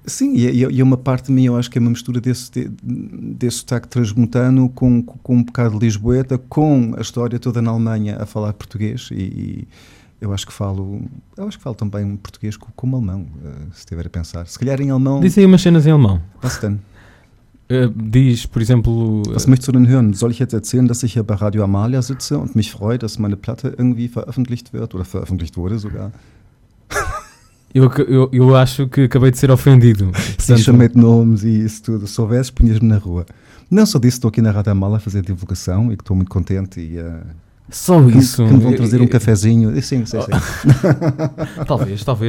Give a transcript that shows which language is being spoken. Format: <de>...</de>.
<pt>Sim, e uma parte de mim, eu acho que é uma mistura desse sotaque transmontano com um bocado de lisboeta, com a história toda na Alemanha a falar português, e eu acho que falo também português como alemão, se estiver a pensar. Se calhar em alemão... Diz aí umas cenas em alemão. Bastante. Diz, por exemplo...</pt> <de>Was möchtest du denn hören? Soll ich jetzt erzählen, dass ich hier bei Radio Amalia sitze und mich freue, dass meine Platte irgendwie veröffentlicht wird oder veröffentlicht wurde sogar?</de> <pt>Eu acho que acabei de ser ofendido. Sim, chamei-te nomes e isso tudo. Se soubesse, punhas-me na rua. Não só disse, estou aqui na Radio Amalia a fazer divulgação e que estou muito contente e... Só isso? Que me vão trazer um cafezinho. Sim. talvez.</pt>